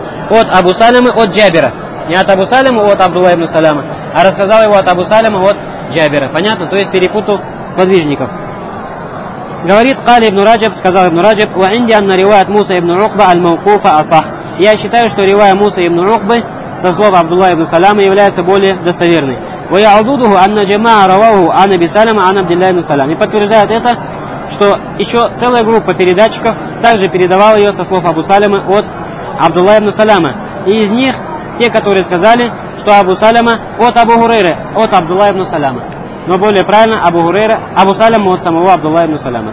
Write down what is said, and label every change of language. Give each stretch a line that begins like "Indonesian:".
Russian: От Абу Салема, от Джабира. Не от Абу Салема, от Абдулла ибн Саляма, а рассказал его от Абу Салема, от Джабира. Понятно? То есть перепутал сподвижников. Говорит,
Arabic: قال ابن رجب,
Russian: сказал
Arabic: ابن رجب, وعندي أن رواية موسى ابن عقبة الموقوفة أصح.
Russian: Я считаю, что ревая Муса ибн Ухбы со слов Абдулла ибн Саляма является более достоверной.
Arabic: ويعضده أن جماعة رواه عن أبي سلمة عن عبد الله بن سلام.
Russian: И подтверждает это, что еще целая группа передатчиков также передавала ее со слов Абу Салема от Абдулла ибн Саляма. И из них те, которые сказали, что Абу Салема от Абу Хурейры, от Абдулла ибн Саляма. Но более правильно Абу Хурейра, Абу Саляма от самого Абдулла ибн Саляма.